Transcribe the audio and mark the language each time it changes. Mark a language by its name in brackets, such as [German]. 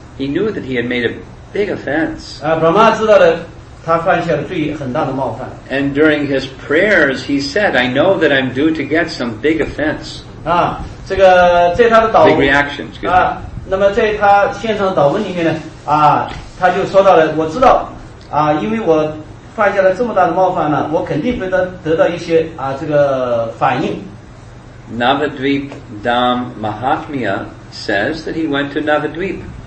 [English] He knew that he had made a big offense. [Chinese] 啊 ，Brahma 知道了，他犯下了最很大的冒犯。 [English] And during his prayers, he said, "I know that I'm due to get some big offense." [Chinese] 啊，这个在他的祷文。 [English] Big reaction. [Chinese] 那么在他现场祷文里面呢，啊，他就说到了，我知道，啊，因为我犯下了这么大的冒犯呢，我肯定会得到一些啊这个反应。 [English] Navadvip Dham Mahatmya says that he went to Navadvip.